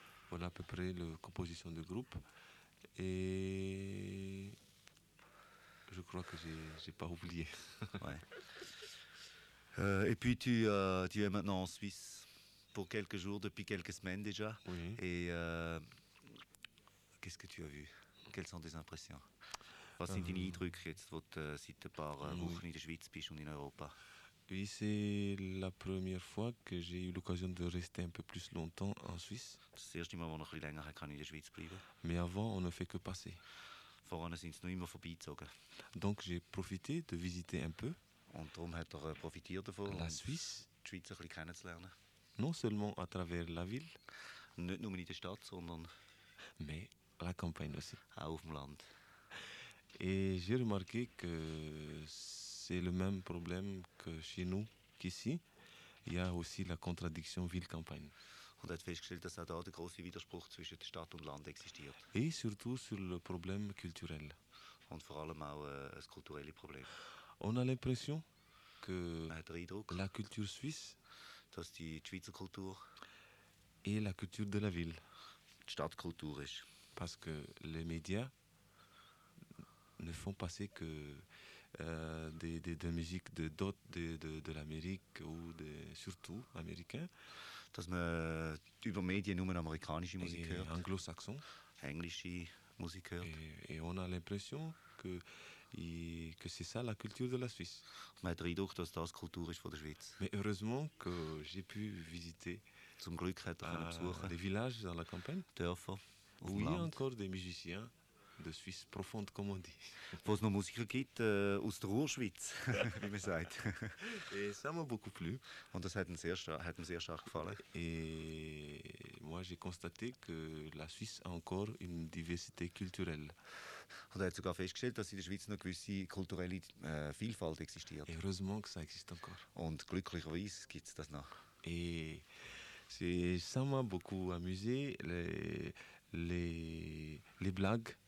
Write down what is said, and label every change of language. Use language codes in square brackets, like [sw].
[fr] Voilà à peu près la composition du groupe. Et je crois que j'ai pas oublié. Ouais. Et puis tu es maintenant en Suisse pour quelques jours, depuis quelques semaines déjà. Oui. Et qu'est-ce que tu as vu? Quelles sont tes impressions? [de] Was sind deine Eindrücke jetzt, wo du seit ein paar Wochen in der Schweiz bist und in Europa? [fr] Oui, c'est la première fois que j'ai eu l'occasion de rester un peu plus longtemps en Suisse. [de] Das erste Mal, wo ich noch ein bisschen länger kann in der Schweiz bleiben. [fr] Mais avant, on ne fait que passer. [de] Vorher sind sie nur immer vorbeizogen. [fr] Donc, j'ai profité de visiter un peu. [de] Und darum hat er profitiert davon, [fr] la Suisse, [de] die Schweiz ein bisschen kennenzulernen. [fr] Non seulement à travers la ville. [de] Nicht nur in der Stadt, sondern... [fr] Mais la campagne aussi. [de] Auch auf dem Land. [fr] Et j'ai remarqué que c'est le même problème que chez nous, qu'ici. Il y a aussi la contradiction ville-campagne. [de] Und hat festgestellt, dass auch da der große Widerspruch zwischen Stadt und Land existiert. [fr] Et surtout sur le problème culturel. [de] Und vor allem auch das kulturelle Problem. [fr] On a l'impression que la culture suisse, [de] dass die Schweizer Kultur [fr] et la culture de la ville, [de] die Stadtkultur ist. [fr] Parce que les médias ne font passer que des musiques de d'autres de l'Amérique ou de surtout américains. [de] Dass man über Medien nur amerikanische Musik hört. [fr] Anglo-Saxon. [de] Englische Musik hört. [fr] Et on a l'impression que c'est ça la culture de la Suisse. [de] Man hat eindruck, dass das Kultur ist von der Schweiz. [fr] Mais heureusement que j'ai pu visiter. [de] Zum Glück hat er besuchen. [fr] Des villages dans la campagne. [de] Dörfer. [fr] Où il y a encore des musiciens. De Suisse profonde, comme on dit. [de] Wo es noch Musiker gibt, aus der Ruhrschweiz, wie man sagt. [fr] Et ça m'a beaucoup plu. [de] Und das hat mir sehr stark gefallen. [fr] Et moi, j'ai constaté que la Suisse a encore une diversité culturelle. [de] Und er hat sogar festgestellt, dass in der Schweiz noch gewisse kulturelle Vielfalt existiert. [fr] Et heureusement que ça existe encore. [de] Und glücklicherweise gibt es das noch. [fr] Et ça m'a beaucoup amusé, les blagues.